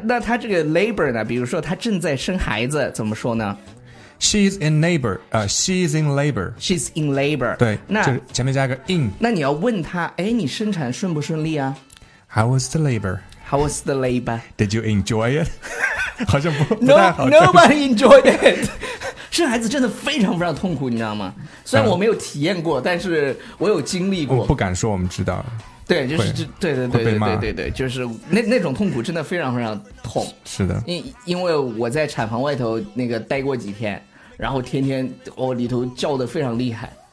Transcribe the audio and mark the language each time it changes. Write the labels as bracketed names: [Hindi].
[Chinese] 那他这个 labor 呢？比如说他正在生孩子，怎么说呢 [English] ？She's in labor， she's in labor， she's in labor。 [Chinese] 对，那就是前面加一个 in。那你要问他，哎，你生产顺不顺利啊 [English] ？How was the labor？ How was the labor? Did you enjoy it? [Chinese] 好像不太好。 [English] Nobody enjoyed it. [Chinese] 生孩子真的非常非常痛苦，你知道吗？虽然我没有体验过，但是我有经历过。我不敢说我们知道。对，就是对对对对对 对，就是那种痛苦真的非常非常痛。是的，因为我在产房外头那个待过几天，然后天天我、哦、里头叫的非常厉害。